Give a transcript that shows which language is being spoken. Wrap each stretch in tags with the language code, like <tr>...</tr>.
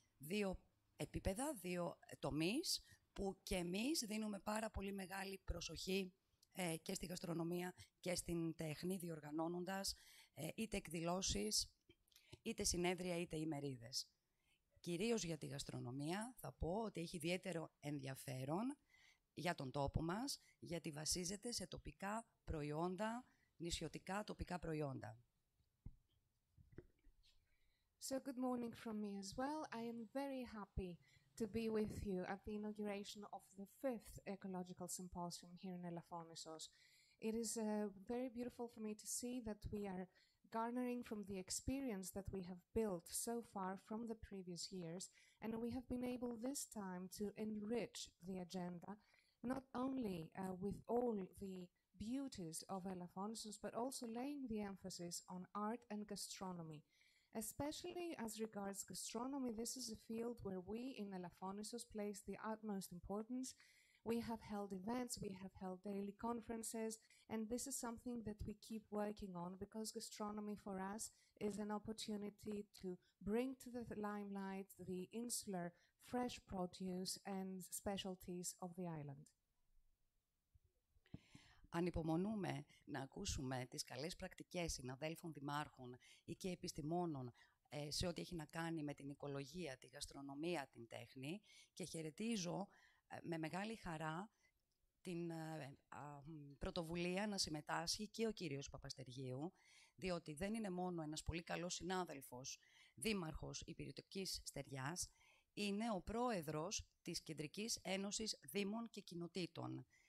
<el>Δύο επίπεδα, δύο τομείς, που και εμείς δίνουμε πάρα πολύ μεγάλη προσοχή και στη γαστρονομία και στην τέχνη, διοργανώνοντας είτε εκδηλώσεις, είτε συνέδρια, είτε ημερίδες. Κυρίως για τη γαστρονομία θα πω ότι έχει ιδιαίτερο ενδιαφέρον για τον τόπο μας, γιατί βασίζεται σε τοπικά προϊόντα, νησιωτικά τοπικά προϊόντα.</el> <en>So good morning from me as well. I am very happy to be with you at the inauguration of the 5th Ecological Symposium here in Elafonisos. It is very beautiful for me to see that we are garnering from the experience that we have built so far from the previous years, and we have been able this time to enrich the agenda, not only with all the beauties of Elafonisos, but also laying the emphasis on art and gastronomy. Especially as regards gastronomy, this is a field where we in Elafonisos place the utmost importance. We have held events, we have held daily conferences, and this is something that we keep working on, because gastronomy for us is an opportunity to bring to the limelight the insular fresh produce and specialties of the island.</en> <el>Ανυπομονούμε να ακούσουμε τις καλές πρακτικές συναδέλφων δημάρχων ή και επιστημόνων σε ό,τι έχει να κάνει με την οικολογία, τη γαστρονομία, την τέχνη, και χαιρετίζω με μεγάλη χαρά την πρωτοβουλία να συμμετάσχει και ο κύριος Παπαστεργίου, διότι δεν είναι μόνο ένας πολύ καλός συνάδελφος, δήμαρχος υπηρετικής στεριάς, είναι ο πρόεδρος της Κεντρικής Ένωσης Δήμων και Κοινοτήτων.</el>